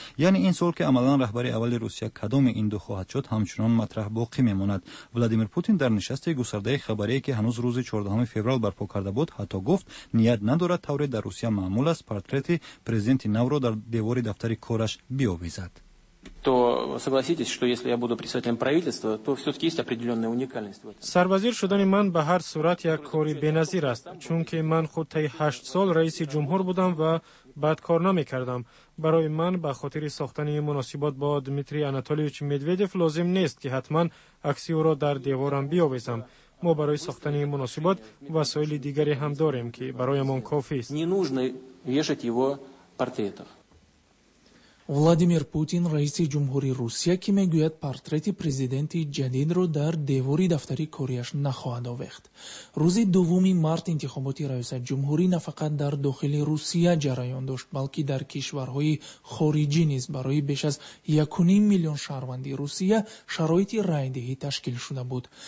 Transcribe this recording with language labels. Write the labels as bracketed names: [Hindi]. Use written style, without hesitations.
[Persian] یعنی این سوال که عملا رهبر اول روسیه کدام این دو خواهد شد همچنان مطرح باقی میماند. ولادیمیر پوتین در نشست گسترده خبری که هنوز روز 14 فوریه برپا کرده بود حتی گفت نیت ندارد طور در روسیه معمول است پورتریت پرزیدنت نو در دیواری دفتری کارش بیاویزد. [Russian] то согласитесь, что если я буду представителем правительства, то все-таки есть определенная уникальность. [Tajik] Сарвазир шудани ман ба ҳар сурат як кори беназир аст, чунки ман худ таи 8 сол раиси ҷумҳур будам ва бад кор намекардам. Барои ман ба хотири сохтани муносибот бо Дмитрий Анатолиевич Медведев лозим нест ки ҳатман акси ӯро дар деворам биёвезам. Мо барои сохтани муносибот васоили дигаре ҳам дорем, ки бароямон кофи аст. [Russian] Не нужно вешать его портретов. [Persian] Владимир Путин, رئیس جمهوری روسیه که میگوید پورتریت پرزیدنت جدید را در دیواری دفتری کاریش نخواهد آویخت. روز 2 مارس انتخابات رئیس جمهوری نه فقط در داخل روسیه جریان داشت، بلکه در کشورهای خارجی نیز برای بیش از 1.5 میلیون شهروندی روسیه شرایط رای‌دهی تشکیل شده بود.